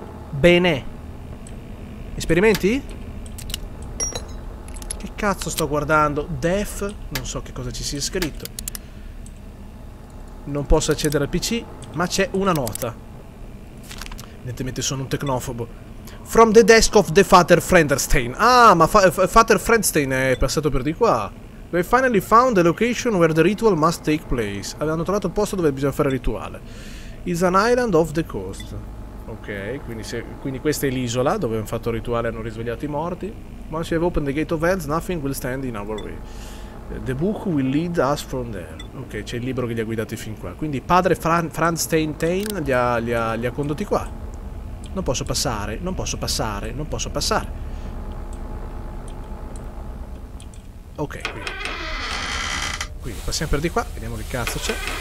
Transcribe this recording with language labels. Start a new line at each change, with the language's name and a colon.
Italian: Bene. Esperimenti? Che cazzo sto guardando? Def? Non so che cosa ci sia scritto. Non posso accedere al PC, ma c'è una nota. Evidentemente sono un tecnofobo.
English: From the desk of the Father Friendstein.
Italian: Ah, ma Father Friendstein è passato per di qua.
English: We finally found the location where the ritual must take place.
Italian: Avevano trovato il posto dove bisogna fare il rituale.
English: It's an island off the coast.
Italian: Ok, quindi, quindi questa è l'isola dove hanno fatto il rituale e hanno risvegliato i morti.
English: Once you have opened the gate of hells, nothing will stand in our way. The book will lead us from there.
Italian: Ok, c'è il libro che li ha guidati fin qua. Quindi padre Franz Tain li ha condotti qua. Non posso passare, non posso passare, non posso passare. Ok, quindi passiamo per di qua, vediamo che cazzo c'è.